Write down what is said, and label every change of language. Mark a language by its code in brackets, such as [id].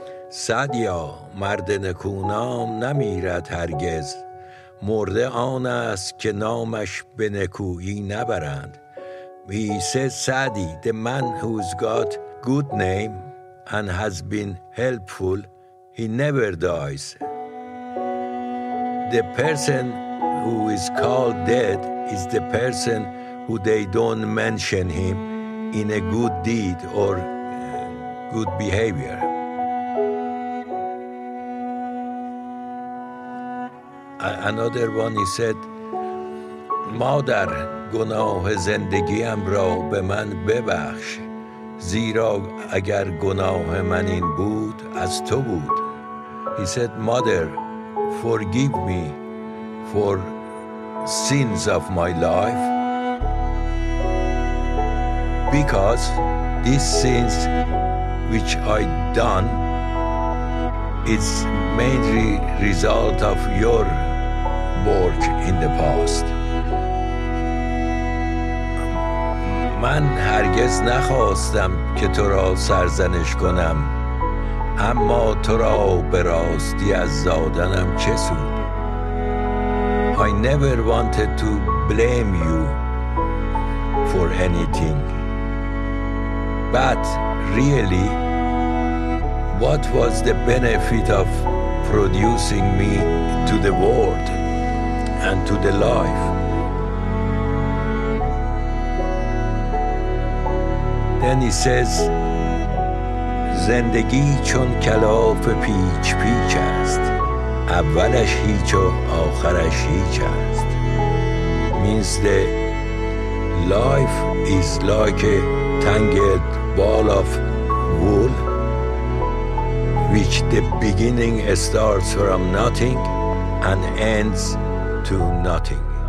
[fa] سعدیا، مرد نکونام نمیرد هرگز، مرده آن است که نامش به نکویی نبرند. [en] He says, Sadi, the man who's got good name and has been helpful, he never dies. The person who is called dead is the person who they don't mention him in a good deed or good behavior. Another one, he said, Mother, [fa] گناه زندگیم را به من ببخش، زیرا اگر گناه من این بود از تو بود. [en] He said, Mother, forgive me for sins of my life, because these sins which I done is mainly result of your work in the past. [fa] من هرگز نخواستم که تو را سرزنش کنم، اما تو را به راستی از زادنم چه سود. [en] I never wanted to blame you for anything, but really, what was the benefit of producing me to the world and to the life? Then he says, [fa] زندگی چون کلاف پیچ پیچ است، اولش هیچ و آخرش هیچ است. [en] Means the life is like a tangled ball of wool, which the beginning starts from nothing and ends to nothing.